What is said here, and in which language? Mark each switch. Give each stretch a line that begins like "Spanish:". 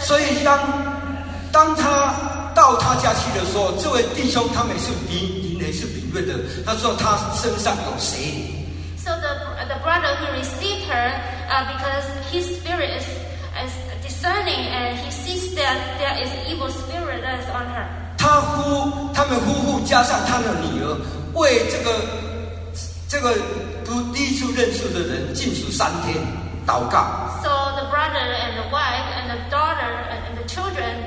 Chinese: 所以当他到他家去的时候，这位弟兄他们是敏锐的，他说他身上有邪灵。
English: So the brother who received her, because his spirit is discerning and he sees that there is evil spirit that is on her.
Chinese: 他们夫妇加上他的女儿，为这个不第一次认识的人禁足3天祷告。
English: So the brother and the wife and the daughter and the children.